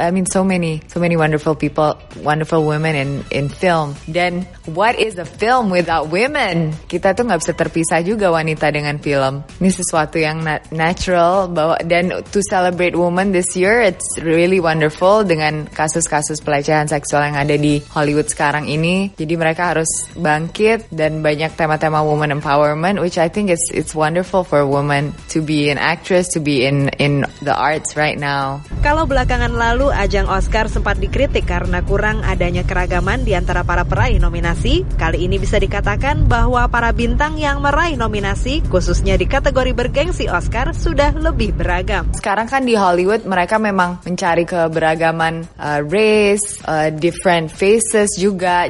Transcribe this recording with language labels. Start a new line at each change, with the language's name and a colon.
English: I mean so many wonderful people, wonderful women in film. Then what is a film without women?
Indonesian: Kita tuh gak bisa terpisah juga wanita dengan film. Ini sesuatu yang natural bahwa, dan
English: to celebrate women this year, it's really wonderful
Indonesian: dengan kasus-kasus pelecehan seksual yang ada di Hollywood sekarang ini. Jadi mereka harus bangkit dan banyak tema-tema woman empowerment,
English: which I think it's wonderful for a woman to be an actress, to be in the arts right now.
Indonesian: Kalau belakangan lalu ajang Oscar sempat dikritik karena kurang adanya keragaman di antara para peraih nominasi, kali ini bisa dikatakan bahwa para bintang yang meraih nominasi, khususnya di kategori bergengsi Oscar, sudah lebih beragam. Sekarang kan di Hollywood mereka memang mencari keberagaman race,
English: different faces
Indonesian: juga.